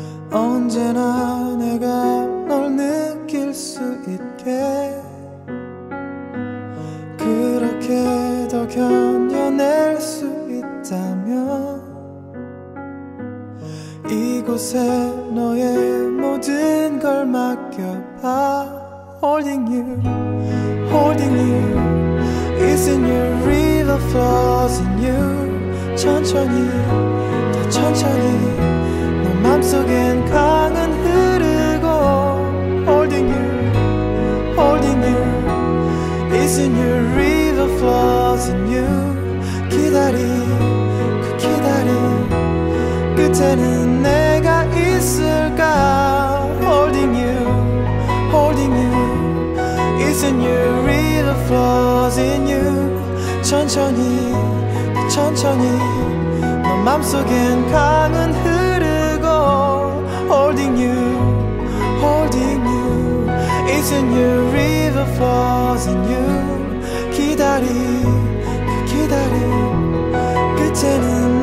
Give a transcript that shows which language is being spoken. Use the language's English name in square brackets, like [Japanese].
[Korean] 언제나 내가 널 느낄 수 있게. 그렇게 더 견뎌낼 수 있다면 이곳에 너의 모든 걸 맡겨봐. [English] Holding you, holding you, it's in your river flows in you. [Korean] 천천히, 더 천천히, 너 맘속엔 강은 흐르고. [English] Holding you, holding you, it's a new river flows in you. [Korean] 기다림, 그 기다림, 끝에는 내가 있을까. [English] Holding you, holding you, it's a new river flows in you. [Korean] 천천히, 천천히, 너 맘속엔 강은 흐르고. [English] Holding you, holding you, it's a new river flows in you. [Korean] 기다림, 그 기다림, 끝에는